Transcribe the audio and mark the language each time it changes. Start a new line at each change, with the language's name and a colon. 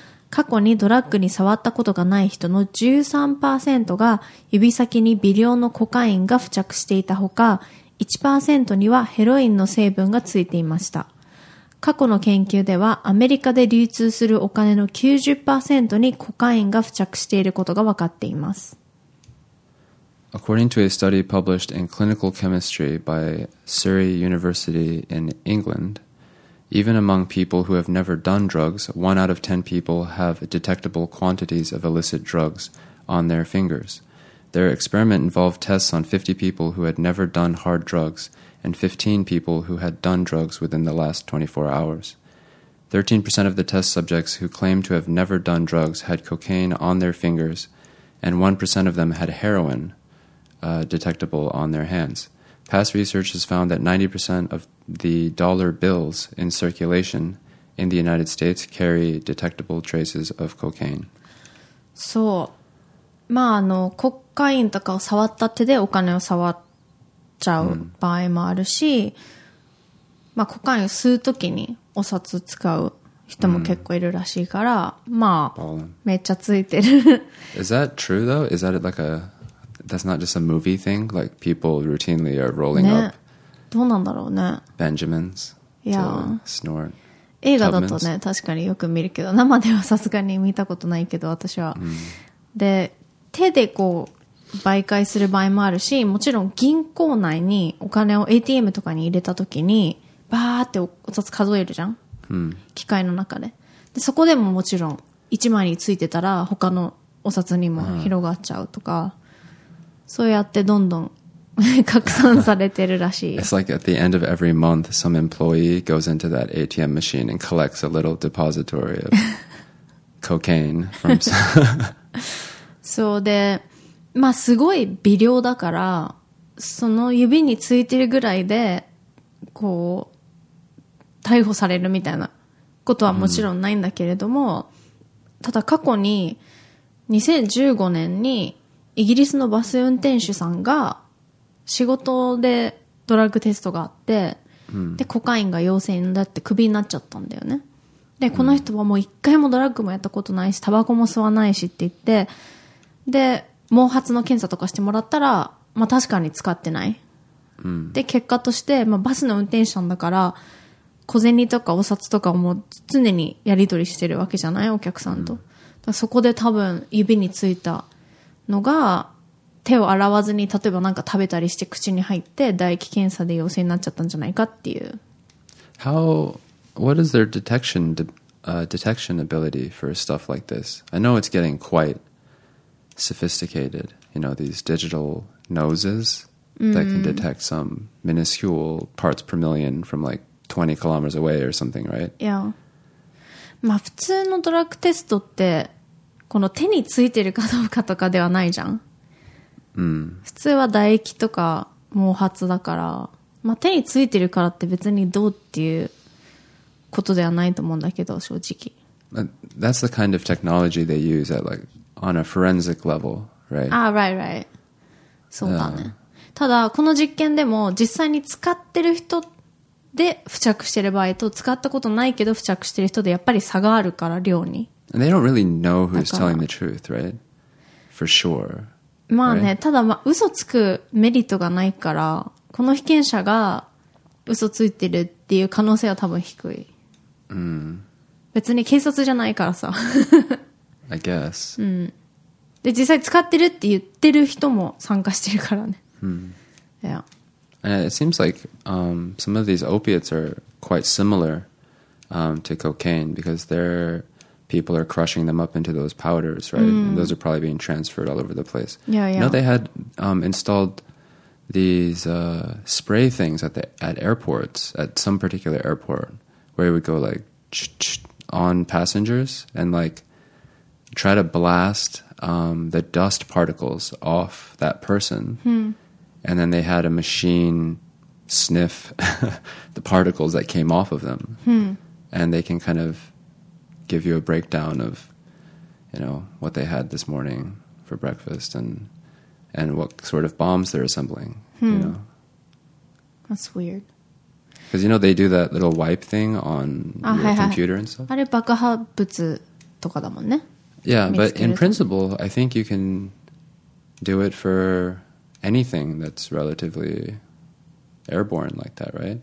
Japanese: 過去にドラッグに触ったことがない人の 13% が指先に微量のコカインが付着していたほか、1% にはヘロインの成分がついていました。過去の研究ではアメリカで流通するお金の 90% にコカインが付着していることが分かっています。
English: According to a study published in Clinical Chemistry by Surrey University in England, even among people who have never done drugs, 1 out of 10 people have detectable quantities of illicit drugs on their fingers. Their experiment involved tests on 50 people who had never done hard drugs and 15 people who had done drugs within the last 24 hours. 13% of the test subjects who claimed to have never done drugs had cocaine on their fingers, and 1% of them had heroin. Detectable on their hands. Past research has found that 90% of the dollar bills in circulation in the United States carry detectable traces of cocaine.
Japanese: そう、まああのコカインとかを触った手でお金を触っちゃう場合もあるし、まあコカインを吸うときにお札使う人も結構いるらしいから、まあめっちゃついてる。
English: Is that true though? Is that like aThat's not just a movie thing? Like people routinely are rolling、
Japanese: ね、
English: up
Japanese: どうなんだろうね
English: Benjamins to snort
Japanese: 映画だとね確かによく見るけど、生ではさすがに見たことないけど私は、で手でこう媒介する場合もあるし、もちろん銀行内にお金を ATM とかに入れた時にバーってお札数えるじゃん、機械の中 でそこでももちろん1枚についてたら他のお札にも広がっちゃうとか、そうやってどんどん拡散されてるらしい。
English: It's like at the end of every month, some employee goes into that ATM machine and collects a little depository of cocaine from some.
Japanese: そうで、まあすごい微量だから、その指についてるぐらいでこう逮捕されるみたいなことはもちろんないんだけれども、ただ過去に2015年に。イギリスのバス運転手さんが仕事でドラッグテストがあって、でコカインが陽性になってクビになっちゃったんだよね。でこの人はもう一回もドラッグもやったことないし、タバコも吸わないしって言って、で毛髪の検査とかしてもらったら、まあ確かに使ってない、で結果として、まあ、バスの運転手さんだから小銭とかお札とかをもう常にやり取りしてるわけじゃない、お客さんと、だからそこで多分指についたのが手を洗わずに例えばなんか食べたりして口に入って唾液検査で陽性になっちゃったんじゃないかっていう。
English: How what is their detection detection ability for stuff like this? I know it's getting quite sophisticated. You know these digital noses that can detect some minuscule parts per million from like 20 kilometers away or something, right? Yeah.
Japanese: まあ普通のドラッグテストって。この手についてるかどうかとかではないじゃん、普通は唾液とか毛髪だから、まあ、手についてるからって別にどうっていうことではないと思うんだけど、正直
English: That's the kind of technology they use at like on a forensic level, right? Ah, right, right.
Japanese: そうだね。ただこの実験でも実際に使ってる人で付着してる場合と使ったことないけど付着してる人でやっぱり差があるから、量に。
English: And they don't really know who's telling the truth, right? For sure.
Japanese: まあね、
English: right?
Japanese: ただまあ嘘つくメリットがないから、この被験者が嘘ついてるっていう可能性は多分低い。別に警察じゃないからさ。
English: I guess.
Japanese: で、実際使ってるって言ってる人も参加してるからね。
English: Yeah. And it seems like, some of these opiates are quite similar, to cocaine because they're... People are crushing them up into those powders, right? And those are probably being transferred all over the place. Yeah, yeah. No, they had installed these spray things at the airports, at some particular airport, where it would go like on passengers and like try to blast the dust particles off that person. Hmm. And then they had a machine sniff the particles that came off of them. Hmm. And they can kind of give you a breakdown of, you know, what they had this morning for breakfast and what sort of bombs they're assembling. Hmm. You know? That's weird. Because, you know, they do that little wipe thing on computer and stuff.
Japanese: あれ爆破物とかだもんね。
English: Yeah, but in principle, I think you can do it for anything that's relatively airborne like that, right?